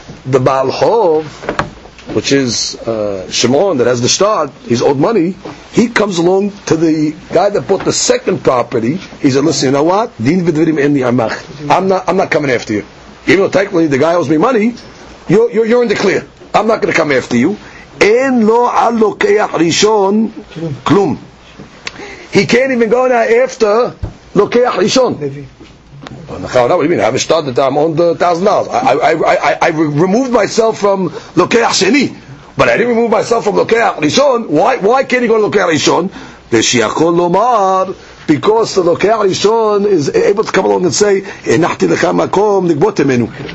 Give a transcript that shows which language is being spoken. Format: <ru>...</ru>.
<en>The בעל חוב, which is Shimon, that has the start, he's owed money, he comes along to the guy that bought the second property. He said, listen, you know what?</en> <he>דין ודברים אין לי עמך.</he> <en>I'm not coming after you. Even though technically the guy owes me money, you're in the clear. I'm not going to come after you.</en> <he>אין לו על לוקח ראשון כלום.</he> <en>He can't even go now after לוקח ראשון. What do you mean? I haven't started that I'm on the $1,000. I removed myself from Lokeach Sheni, but I didn't remove myself from Lokeach Rishon. Why can't he go to Lokeach Rishon? Because the Lokeach Rishon is able to come along and say,</en> <he>"Enachti lecha makom nigbot emenu."</he>